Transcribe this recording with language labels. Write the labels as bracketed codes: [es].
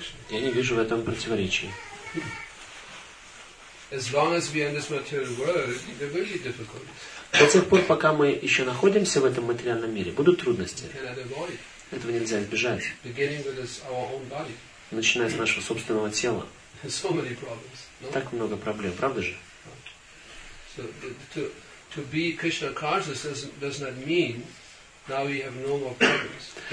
[ru] Я не вижу в этом противоречия. [en] As long as we are in this material world, there will be difficulties. [ru] До тех пор, пока мы еще находимся в этом материальном мире, будут трудности. Этого нельзя избежать. [en] Beginning with our own body. [ru] Начиная с нашего собственного тела. [en] So many problems, no? [ru] Так много проблем, правда же? [en] So to be Krishna conscious does not mean now we have no more problems.